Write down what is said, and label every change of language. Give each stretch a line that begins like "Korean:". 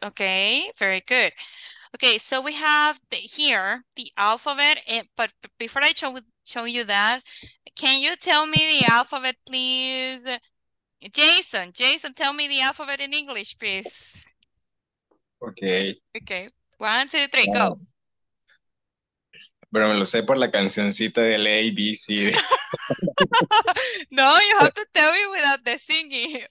English: Okay, very good. Okay, so we have here the alphabet. But before I show you that, can you tell me the alphabet, please? Jason, tell me the alphabet in English, please. Okay. Okay, 1, 2, 3, go.
Spanish: Pero me lo sé por la cancioncita del A, B, C.
English: No, you have to tell me without the singing.